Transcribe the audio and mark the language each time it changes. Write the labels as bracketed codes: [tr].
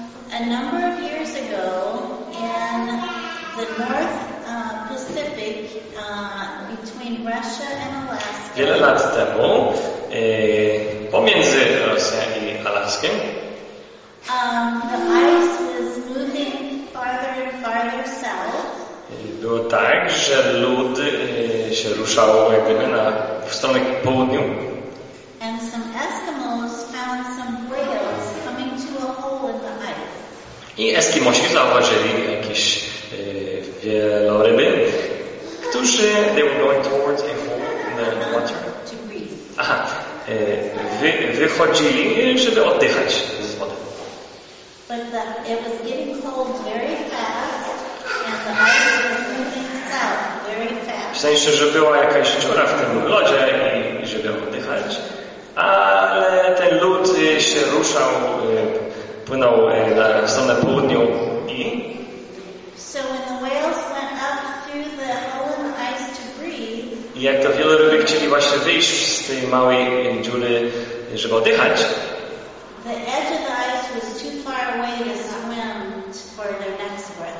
[en] A number of years ago in the North Pacific between Russia and Alaska. [pl] Wiele lat temu pomiędzy Rosją i Alaską. [en] The ice was moving farther and farther south. [pl] Było tak, że lód się ruszał jakby na w stronę południu. [en] And some Eskimos found some whales coming to a hole in the ice. [pl] I Eskimosi zauważyli jakieś wieloryby, którzy [en] they were going towards a hole in the water. To breathe. [pl] Aha, wychodzili, żeby oddychać z wody. [en] But it was getting cold very fast, and the ice was moving south very fast. [pl] W sensie, że była jakaś dziura w tym lodzie i żeby oddychać, ale ten lód się ruszał. Płynął na stronę południu i [en] so when the whales went up through the hole in the ice to breathe, [pl] jak to wieloryby chcieli właśnie wyjść z tej małej dziury, żeby oddychać, [en] the edge of the ice was too far away to swim for their next